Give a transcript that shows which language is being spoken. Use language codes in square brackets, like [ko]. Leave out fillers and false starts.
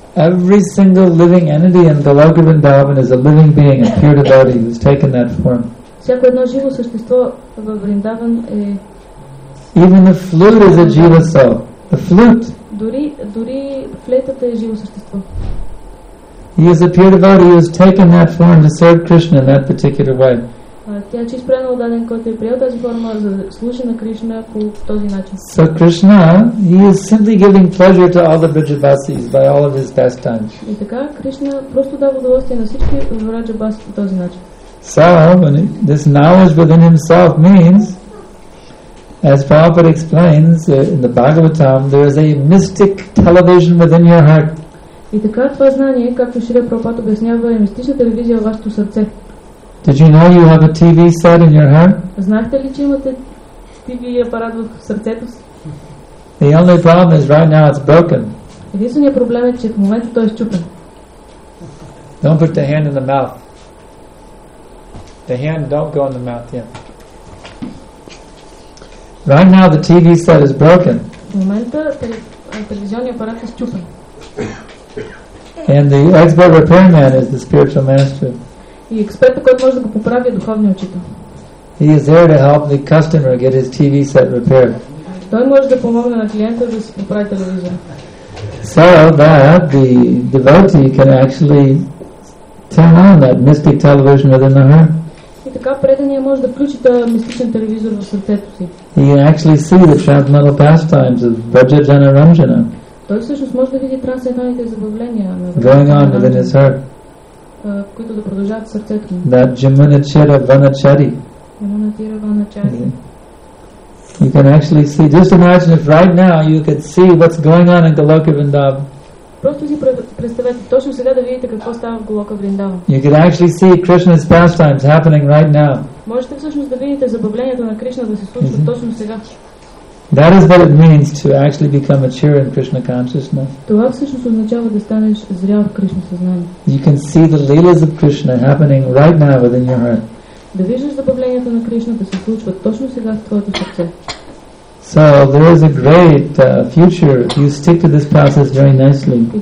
[en] Every single living entity in Goloka Vrindavan is a living being, a pure devotee who's taken that form. [bg] Всяко едно живо същество в Вриндаван е. [en] Even the flute is a jiva soul. The flute. [bg] Дори флейтата е живо същество. [en] He is a pure devotee who has taken that form to serve Krishna in that particular way. [bg] Тя чист преданал даден, който е приел тази форма за да служи на Кришна по този начин. [en] So Krishna, he is simply giving pleasure to all the Vrajabasis by all of his pastimes. [bg] И така Кришна просто дава удоволствие на всички Vrajabasis по този начин. [en] So, this knowledge within himself means, as Prabhupada explains in the Bhagavatam, there is a mystic television within your heart. [bg] И така това знание, както Шри Прабхупад обяснява, е мистична телевизия в вашето сърце. [en] Did you know you have a TV set in your heart? [bg] Знаете ли, че имате TV апарат в сърцето си? [en] The only problem is right now it's broken. [bg] Единственият проблем е, че в момента той е счупен. [en] Don't put the hand in the mouth. The hand don't go in the mouth, yeah. Right now the TV set is broken. [bg] В момента телевизионният апарат е счупен. [en] And the expert repairman is the spiritual master. [bg] И експертът, който може да го поправи, е духовният учител. [en] He is there to help the customer get his TV set repaired. [bg] Той може да помогне на клиента да си поправи телевизора. [en] So that the devotee can actually turn on that mystic television within the heart. [bg] И така предания може да включи този мистичен телевизор в сърцето си. [en] He can actually see the transcendental pastimes of Vrajajana Ranjana. [bg] Той всъщност може да види трансцендентните забавления на [en] going on within his heart, [bg] които да продължават в сърцето му. [en] That Jamuna Tira Vanachari. Jamuna Tira Vanachari. You can actually see, just imagine if right now you could see what's going on in Goloka Vrindavan. [bg] Просто си представете, представете точно сега да видите какво става в Голока Вриндава. [en] You can actually see Krishna's pastimes happening right now. [bg] Можете всъщност да видите забавлението на Кришна да се случва точно сега. [en] That is what it means to actually become mature in Krishna consciousness. [bg] Това всъщност означава да станеш зрял в Кришна съзнание. [en] You can see the leelas of Krishna happening right now within your heart. [bg] Да виждаш забавлението на Кришна да се случва точно сега в твоето сърце. [en] So there is a great future if you stick to this process very nicely.